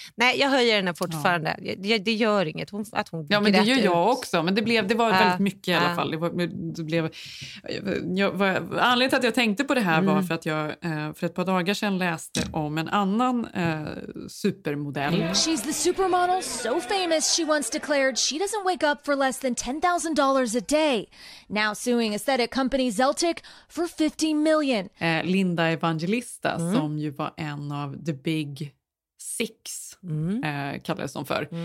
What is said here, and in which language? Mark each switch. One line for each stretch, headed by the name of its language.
Swedish: Nej, jag höjer henne fortfarande. Ja. Det gör inget att hon grät. Ja, men det gör ut. Jag också. Men det var väldigt mycket i alla fall. Anledningen till att jag tänkte på det här var för att jag för ett par dagar sedan läste om en annan supermodell.
English: She's the supermodel so famous she once declared she doesn't wake up for less than $10,000 a day. Now suing aesthetic company Zeltic for 50 million.
Swedish: Linda Evangelista som ju var en av The Big Six, kallades hon för.